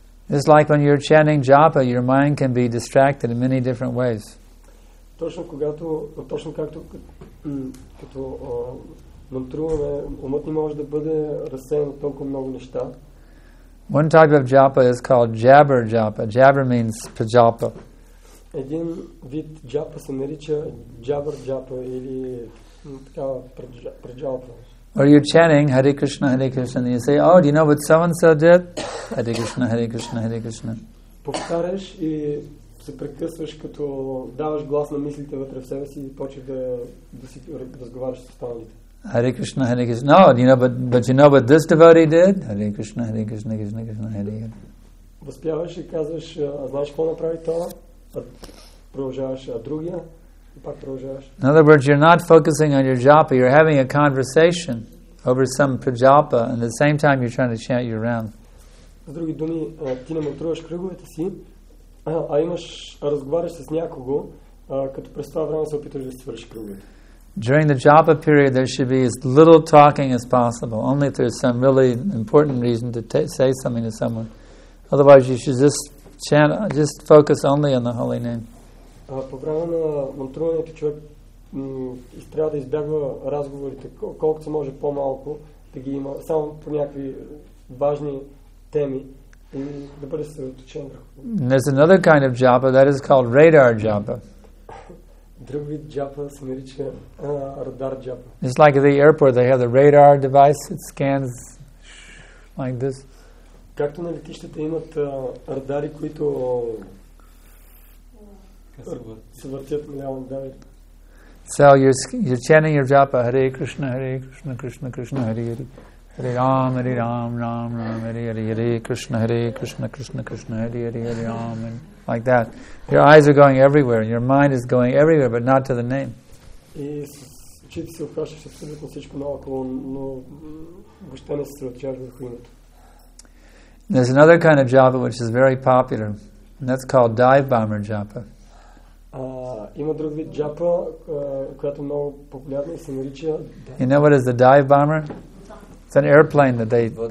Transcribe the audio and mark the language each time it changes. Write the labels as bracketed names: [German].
[English] It's like when you're chanting japa, your mind can be distracted in many different ways. [Bulgarian] Точно когато, точно както като мантруваме, умът не може да бъде разсеян от толкова много неща. [English] One type of japa is called jabber japa. Jabber means prajalpa. [Bulgarian] Един вид japa се нарича jabber japa или такава prajalpa. [English] Or you're chanting Hare Krishna, Hare Krishna, and you say, oh, do you know what so-and-so did? [Sanskrit] Hare Krishna, Hare Krishna, Hare Krishna. [Bulgarian] Повтаряш и се прекъсваш, като даваш глас на мислите вътре в себе си и почваш да си разговаряш с останалите. [Sanskrit] Hare Krishna, Hare Krishna. [English] No, do you know, but you know what this devotee did? [Sanskrit] Hare Krishna, Hare Krishna, Krishna, Krishna, Hare Krishna. [Bulgarian] Възпяваш и казваш, а знаеш какво направи това? А продължаваш другия? [English] In other words, you're not focusing on your japa, you're having a conversation over some prajalpa, and at the same time you're trying to chant your round. [Bulgarian] С други думи, ти не мантруваш кръговете си, а имаш, разговаряш с някого, като през това време се опитваш да свършиш кръговете. [English] During the japa period, there should be as little talking as possible, only if there's some really important reason to say something to someone. Otherwise, you should just focus only on the holy name. [Bulgarian] По време на мантруването човек трябва да избягва разговорите, колкото се може по-малко, да ги има само по някакви важни теми и да бъде съсредоточен. [English] There's another kind of japa, that is called radar japa. [Bulgarian] Друг вид japa се нарича радар japa. [English] It's like at the airport, they have the radar device, it scans like this. [Bulgarian] Както на летищата имат радари, които [English] so you're chanting your japa, [Sanskrit] Hare Krishna, Hare Krishna, Krishna Krishna, Hare Hare, Hare Ram, Hare Ram, Ram Ram, Hare Hare, Hare Krishna, Hare Krishna, Krishna Krishna, Hare Hare, Hare Ram, [English] and like that. Your eyes are going everywhere, your mind is going everywhere, but not to the name. There's another kind of japa which is very popular, and that's called dive bomber japa. [Bulgarian] Има друг вид джапа, която много популярна и се нарича. [English] You know what is the dive bomber? It's an airplane that they.